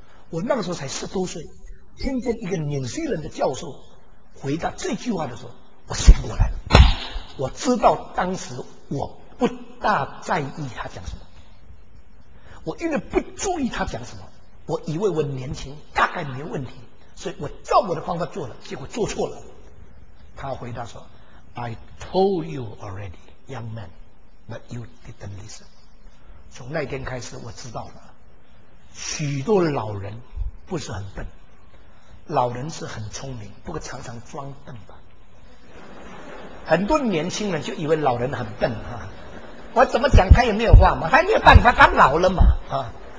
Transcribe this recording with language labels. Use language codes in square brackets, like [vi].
[zh] 我那个时候才十多岁，听见一个纽西兰的教授回答这句话的时候，我醒过来了。我知道当时我不大在意他讲什么，我因为不注意他讲什么，我以为我年轻大概没问题，所以我照我的方法做了，结果做错了。他回答说 [en] I told you already, young man, but you didn't listen. [zh] 从那天开始我知道了，许多老人不是很笨，老人是很聪明，不过常常装笨吧。很多年轻人就以为老人很笨啊，我怎么讲他也没有话嘛，他没有办法，他老了嘛啊。